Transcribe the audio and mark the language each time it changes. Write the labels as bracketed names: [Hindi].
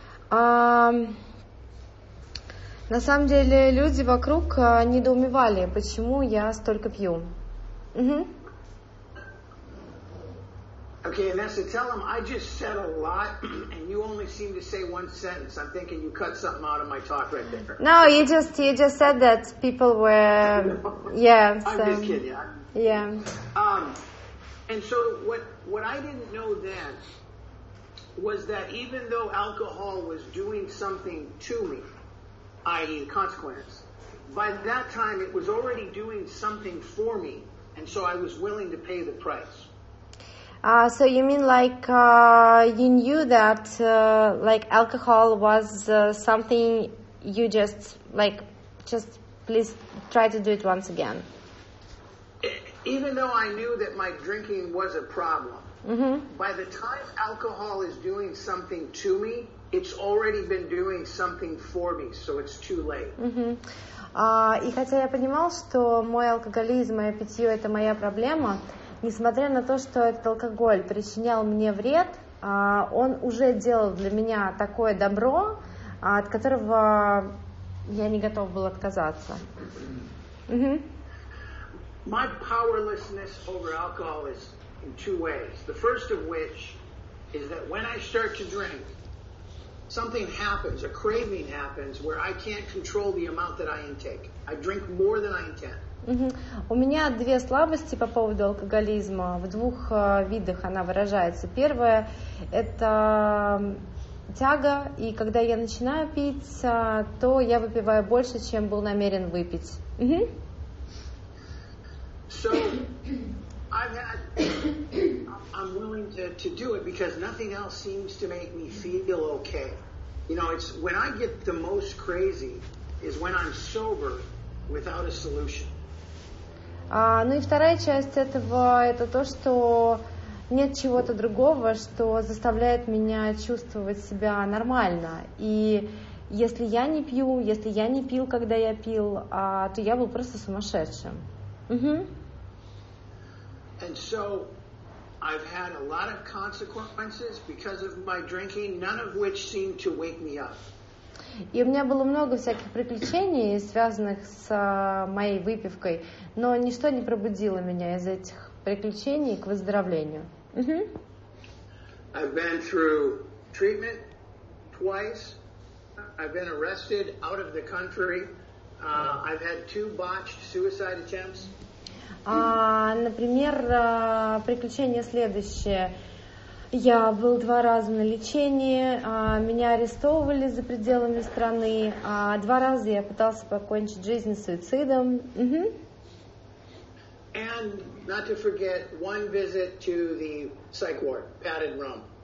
[Russian] На самом деле люди вокруг недоумевали, почему я столько пью. [English] Okay, Vanessa, tell them I just said a lot and you only seem to say one sentence. I'm thinking you cut something out of my talk right there. No, you just said that people were And so what I didn't know then was that even though alcohol was doing something to me, i.e. consequence, by that time it was already doing something for me, and so I was willing to pay the price. So you mean like you knew that like alcohol was something you just like, just please try to do it once again. Even though I knew that my drinking was a problem, mm-hmm. By the time alcohol is doing something to me, it's already been doing something for me, so it's too late. Mm-hmm. [Russian] И хотя я понимал, что мой алкоголизм, мое питье — это моя проблема, несмотря на то, что этот алкоголь причинял мне вред, он уже делал для меня такое добро, от которого я не готов был отказаться. Mm-hmm. [English] My powerlessness over alcohol is in two ways. The first of which is that when I start to drink, something happens, a craving happens, where I can't control the amount that I intake. I drink more than I intend. Mm-hmm. [Russian] У меня две слабости по поводу алкоголизма. В двух видах она выражается. Первое – это тяга, и когда я начинаю пить, то я выпиваю больше, чем был намерен выпить. Mm-hmm. [English] So I'm willing to do it because nothing else seems to make me feel okay. You know, it's when I get the most crazy is when I'm sober without a solution. [Russian] Ну и вторая часть этого — это то, что нет чего-то другого, что заставляет меня чувствовать себя нормально. И если я не пью, если я не пил, когда я пил, то я был просто сумасшедшим. Угу. [English] And so I've had a lot of consequences because of my drinking, none of which seemed to wake me up. [Russian] И у меня было много всяких приключений, связанных с моей выпивкой, но ничто не пробудило меня из этих приключений к выздоровлению. [English] I've been through treatment twice. I've been arrested out of the country. I've had two botched suicide attempts. [Russian] Например, приключение следующее. Я был два раза на лечении, меня арестовывали за пределами страны, два раза я пытался покончить жизнь суицидом. [English] And not to forget, one visit to the psych ward, padded room.